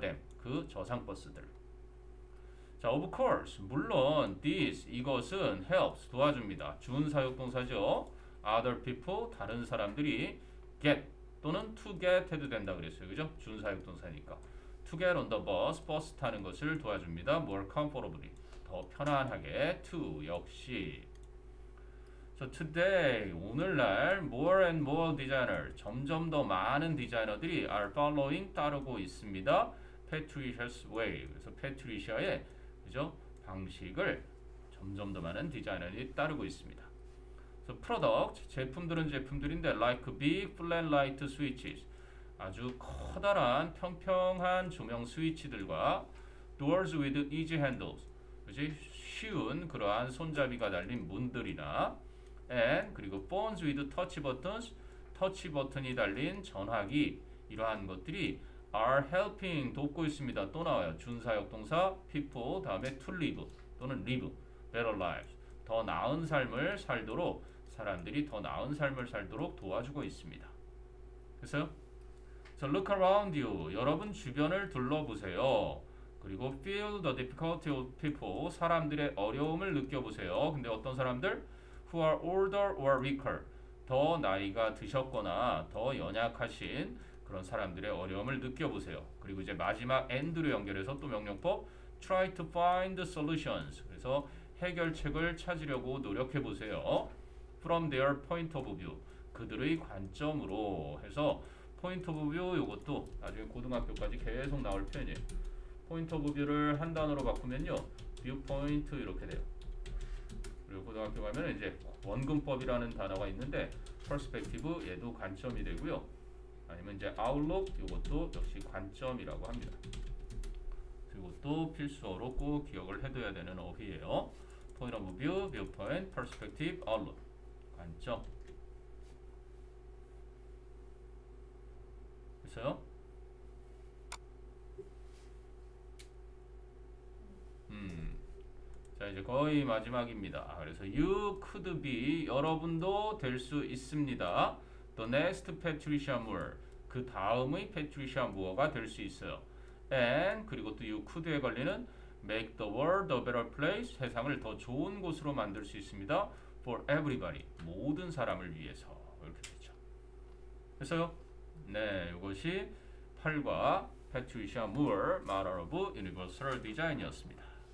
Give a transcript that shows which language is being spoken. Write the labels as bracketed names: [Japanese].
[Korean] them 그 저상 버스들. 자, of course 물론 this 이것은 helps 도와줍니다. 준사역 동사죠. other people 다른 사람들이 get 또는 to get 해도 된다 그랬어요. 그죠? 준사역 동사니까 to get on the bus 버스 타는 것을 도와줍니다. more comfortably 더 편안하게 to 역시 So today, 오늘날 [English] more and more designers, [Korean] 점점 더 많은 디자이너들이 are following, 따르고 있습니다. Patricia's way, 그래서 Patricia의 그죠? 방식을 점점 더 많은 디자이너들이 따르고 있습니다. So product, 제품들은 제품들인데 like big flat light switches, 아주 커다란 평평한 조명 스위치들과 doors with easy handles, 그지? 쉬운 그러한 손잡이가 달린 문들이나 and 그리고 phones with touch buttons, 터치 버튼이 달린 전화기 이러한 것들이 are helping 돕고 있습니다. 또 나와요. 준사역 동사 people 다음에 to live 또는 live better lives 더 나은 삶을 살도록 사람들이 더 나은 삶을 살도록 도와주고 있습니다. 그래서 so [English] look around you [Korean] 여러분 주변을 둘러보세요. 그리고 [English] feel the difficulty of people [Korean] 사람들의 어려움을 느껴보세요. 근데 어떤 사람들 [English] who are older or weaker [Korean] 더 나이가 드셨거나 더 연약하신 그런 사람들의 어려움을 느껴보세요. 그리고 이제 마지막 end로 연결해서 또 명령법 [English] try to find solutions [Korean] 그래서 해결책을 찾으려고 노력해보세요. [English] from their point of view [Korean] 그들의 관점으로 해서 point of view 이것도 나중에 고등학교까지 계속 나올 표현이에요. point of view를 한 단어로 바꾸면요 viewpoint 이렇게 돼요. 그리고 고등학교 가면 이제 원근법이라는 단어가 있는데 perspective 얘도 관점이 되고요. 아니면 이제 outlook 이것도 역시 관점이라고 합니다. 이것도 필수어로 꼭 기억을 해둬야 되는 어휘예요. [English] point of view, viewpoint, perspective, outlook 관점 됐어요? [Korean] 자 이제 거의 마지막입니다. 그래서 you could be 여러분도 될 수 있습니다. The next Patricia Moore 그 다음의 Patricia Moore가 될 수 있어요. And 그리고 또 you could에 걸리는 [English] make the world a better place [Korean] 세상을 더 좋은 곳으로 만들 수 있습니다. For everybody 모든 사람을 위해서 이렇게 되죠. 됐어요? 네, 이것이 8과 Patricia Moore Matter of Universal Design이었습니다.